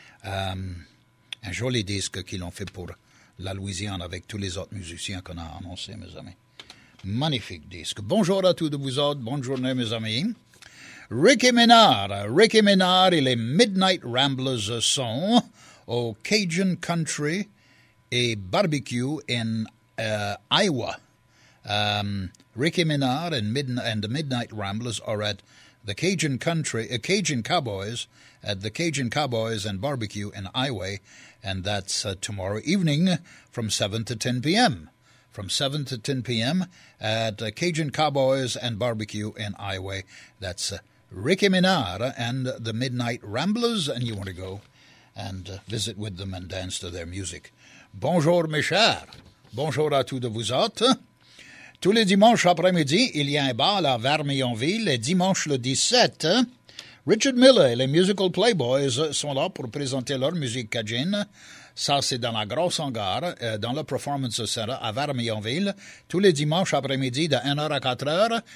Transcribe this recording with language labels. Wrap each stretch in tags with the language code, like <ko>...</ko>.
<fr>Un joli disque qu'ils ont fait pour la Louisiane avec tous les autres musiciens qu'on a annoncés, mes amis. Magnifique disque. Bonjour à tous de vous autres, bonne journée, mes amis. Ricky Menard et les Midnight Ramblers sont au Cajun Country et Barbecue in Iowa.</fr> <en>Ricky Menard and the Midnight Ramblers are at the Cajun Country, Cajun Cowboys, at the Cajun Cowboys and Barbecue in Iowa, and that's tomorrow evening from 7 to 10 p.m. From 7 to 10 p.m. at Cajun Cowboys and Barbecue in Iowa. That's Ricky Menard and the Midnight Ramblers, and you want to go and visit with them and dance to their music.</en> <fr>Bonjour, mes chers. Bonjour à tous de vous autres. Tous les dimanches après-midi, il y a un bal à Vermillonville, et dimanche le 17, Richard Miller et les Musical Playboys sont là pour présenter leur musique Cajun. Ça, c'est dans la Grosse Hangar, dans le Performance Center à Vermillonville, tous les dimanches après-midi de 1h à 4h.</fr>